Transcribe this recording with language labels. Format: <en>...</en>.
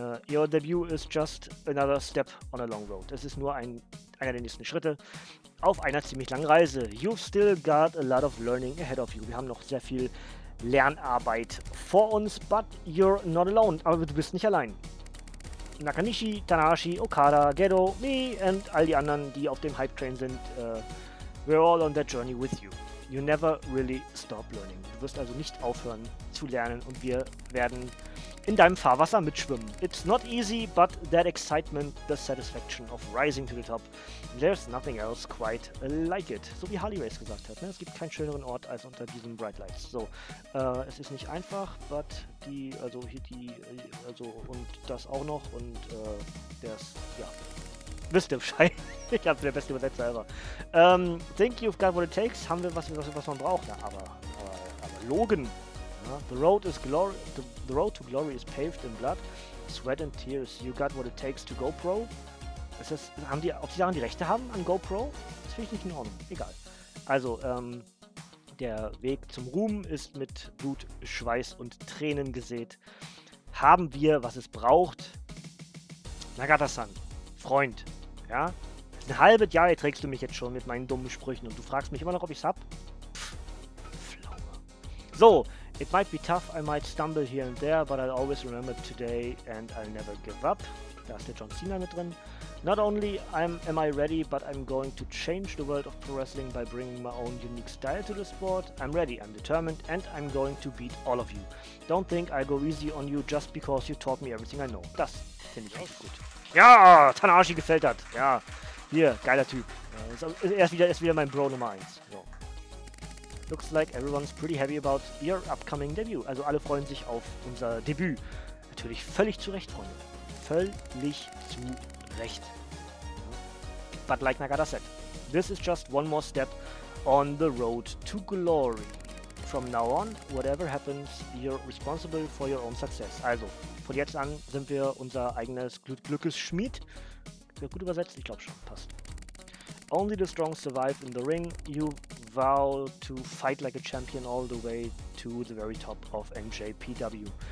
<en>Your debut is just another step on a long road.</en> <de>Es ist nur einer der nächsten Schritte auf einer ziemlich langen Reise.</de> <en>You've still got a lot of learning ahead of you.</en> <de>Wir haben noch sehr viel Lernarbeit vor uns,</de> <en>but you're not alone.</en> <de>Aber du bist nicht allein.</de> <en>Nakanishi, Tanahashi, Okada, Gedo, me and all</en> <de>die anderen, die auf dem Hype Train sind,</de> <en>we're all on that journey with you. You never really stop learning.</en> <de>Du wirst also nicht aufhören zu lernen und wir werden in deinem Fahrwasser mitschwimmen.</de> <en>It's not easy, but that excitement, the satisfaction of rising to the top, there's nothing else quite like it.</en> <de>So wie Harley Race gesagt hat, ne? Es gibt keinen schöneren Ort als unter diesen Bright Lights. So, es ist nicht einfach, but die, also hier die, also und das auch noch und das, ja. Wisst ihr Bescheid? Ich hab's der beste Übersetzer selber.</de> <en>Think you've got what it takes?</en> <de>Haben wir was man braucht? Ja, aber Logan.</de> <en>Ja, the road to glory is paved in blood, sweat and tears. You got what it takes to go pro?</en> <de>Ist das, haben die, ob sie daran die Rechte haben an GoPro? Das finde ich nicht in Ordnung. Egal. Also, der Weg zum Ruhm ist mit Blut, Schweiß und Tränen gesät. Haben wir, was es braucht? Nagata-san. Freund, ja? Ein halbes Jahr trägst du mich jetzt schon mit meinen dummen Sprüchen und du fragst mich immer noch, ob ich's hab? Pff, Flaume.</de> <en>So, it might be tough, I might stumble here and there, but I'll always remember today and I'll never give up.</en> <de>Da ist der John Cena mit drin.</de> <en>Not only am I ready, but I'm going to change the world of pro wrestling by bringing my own unique style to the sport. I'm ready, I'm determined, and I'm going to beat all of you. Don't think I go easy on you just because you taught me everything I know.</en> <de>Das finde ich echt gut. Ja, Tanahashi gefällt hat. Ja, hier, geiler Typ. Er ist wieder mein Bro Nummer 1. So.</de> <en>Looks like everyone's pretty happy about your upcoming debut.</en> <de>Also alle freuen sich auf unser Debüt. Natürlich völlig zu Recht, Freunde. Völlig zu Recht.</de> <en>But like Nagata said, this is just one more step on the road to glory. From now on, whatever happens, you're responsible for your own success.</en> <de>Also, von jetzt an sind wir unser eigenes Glückes Schmied. Ja, gut übersetzt, ich glaube schon, passt.</de> <en>Only the strong survive in the ring. You vow to fight like a champion all the way to the very top of NJPW.</en>